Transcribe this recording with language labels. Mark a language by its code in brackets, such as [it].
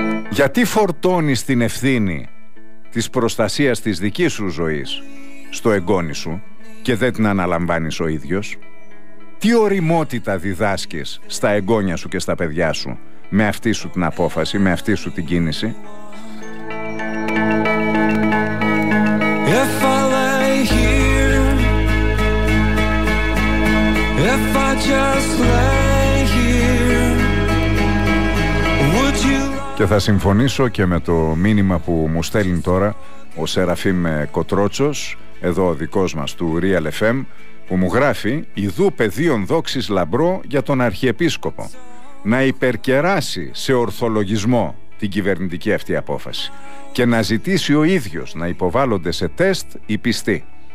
[el] Γιατί φορτώνεις την ευθύνη της προστασίας της δικής σου ζωής στο εγγόνι σου και δεν την αναλαμβάνεις ο ίδιος? Τι ωριμότητα διδάσκεις στα εγγόνια σου και στα παιδιά σου με αυτή σου την απόφαση, με αυτή σου την κίνηση? [en] If I lay here, if I just lay here, would you... [el] Και θα συμφωνήσω και με το μήνυμα που μου στέλνει τώρα ο Σεραφείμ Κοτρότσος, εδώ ο δικός μας του Real FM, που μου γράφει: «Ιδού πεδίον δόξης λαμπρό για τον Αρχιεπίσκοπο να υπερκεράσει σε ορθολογισμό την κυβερνητική αυτή απόφαση και να ζητήσει ο ίδιος να υποβάλλονται σε τεστ οι πιστοί.